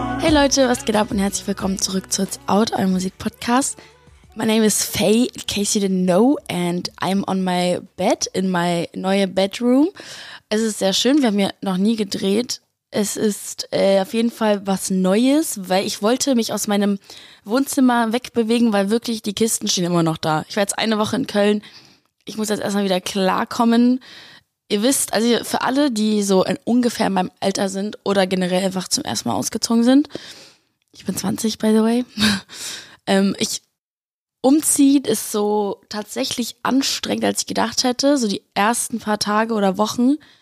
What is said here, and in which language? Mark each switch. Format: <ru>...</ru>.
<de>Leute, was geht ab und herzlich willkommen zurück zu It's Out, eurem Musik-Podcast.</de> <en>My name is Faye, in case you didn't know, and I'm on my bed, in my</en> <de>neue</de> <en>bedroom.</en> <de>Es ist sehr schön, wir haben hier noch nie gedreht. Es ist auf jeden Fall was Neues, weil ich wollte mich aus meinem Wohnzimmer wegbewegen, weil wirklich die Kisten stehen immer noch da. Ich war jetzt eine Woche in Köln, ich muss jetzt erstmal wieder klarkommen. Ihr wisst, also für alle, die so in ungefähr meinem Alter sind oder generell einfach zum ersten Mal ausgezogen sind, ich bin 20,</de> <en>by the way,</en> <de>umziehen ist so tatsächlich anstrengend, als ich gedacht hätte, so die ersten paar Tage oder Wochen.</de>